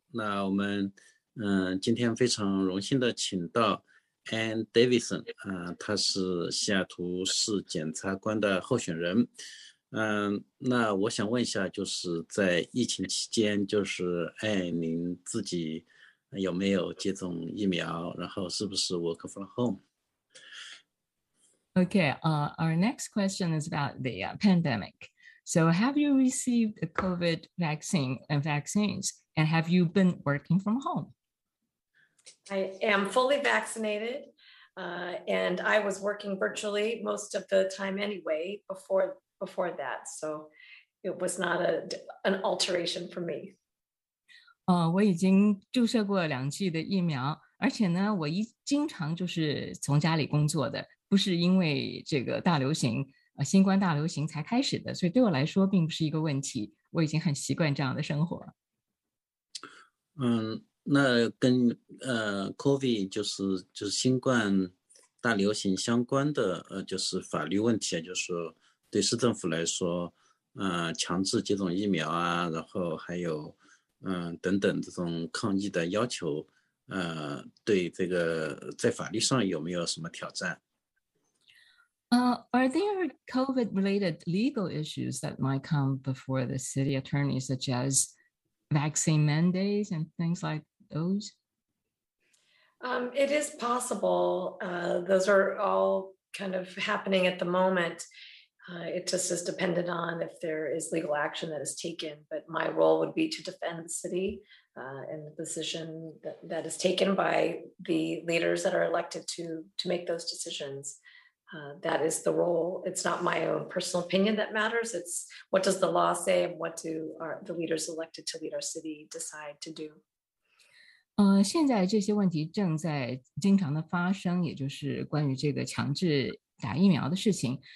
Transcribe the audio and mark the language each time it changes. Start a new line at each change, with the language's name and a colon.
Chinese: 那我们今天非常荣幸的请到 Ann Davidson， 他是西雅图市检察官的候选人。那我想问一下，就是在疫情期间，就是哎，您自己有没有接种疫苗？然后是不是
English: work from home？ Okay, our next question is about the pandemic. So have you received a COVID vaccine and vaccines, and have you been working from home? I am fully vaccinated, and I was working virtually most of the time anyway before that. So it was not an alteration for me.
Chinese: 我已经注射过两剂的疫苗，而且呢，我经常就是从家里工作的。不是因为这个大流行，新冠大流行才开始的，所以对我来说并不是一个问题，我已经很习惯这样的生活。那跟COVID 就是新冠大流行相关的就是法律问题，就是对市政府来说，强制接种疫苗啊，然后还有等等这种抗疫的要求，对这个在法律上有没有什么挑战？
English: Are there COVID-related legal issues that might come before the city attorney, such as vaccine mandates and things like those? It is possible. Those are all kind of happening at the moment. It just is dependent on if there is legal action that is taken. But my role would be to defend the city and the position that is taken by the leaders that are elected to make those decisions. That is the role. It's not my own personal opinion that matters. It's what does the law say and what do the leaders elected to lead our city decide to do?
Chinese: 现在这些问题正在经常的发生，也就是关于这个强制打疫苗的事情。